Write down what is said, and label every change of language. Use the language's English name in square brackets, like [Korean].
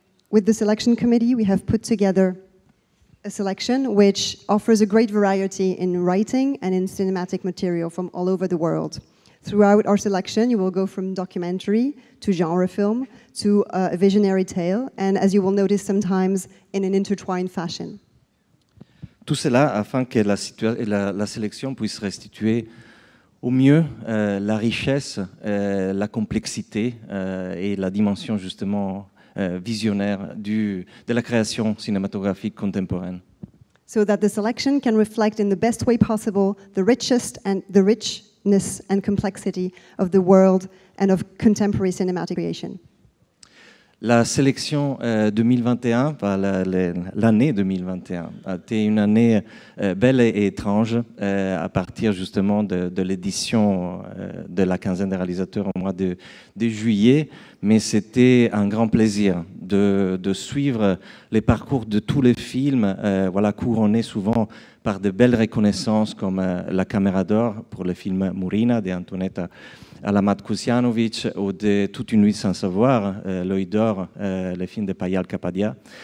[English] With the selection committee, we have put together a selection which offers a great variety in writing and in cinematic material from all over the world. Throughout our selection, you will go from documentary to genre film to a visionary tale, and as you will notice sometimes, in an intertwined fashion. [French] Tout cela afin que la sélection puisse restituer au mieux la richesse, la complexité et la dimension justement visionnaire de la création cinématographique contemporaine. [English] So that the selection can reflect in the best way possible the richest and the rich and complexity of the world and of contemporary cinematic creation. [French] La sélection 2021, l'année 2021, a été une année belle et étrange à partir justement de l'édition de la quinzaine des réalisateurs au mois de juillet, mais c'était un grand plaisir de suivre les parcours de tous les films, voilà, couronnés souvent par de belles reconnaissances comme la Caméra d'Or pour le film Murina de Antonietta Alamat Kusianovic ou de Toute une nuit sans savoir, L'œil d'or, le film de Payal Kapadia,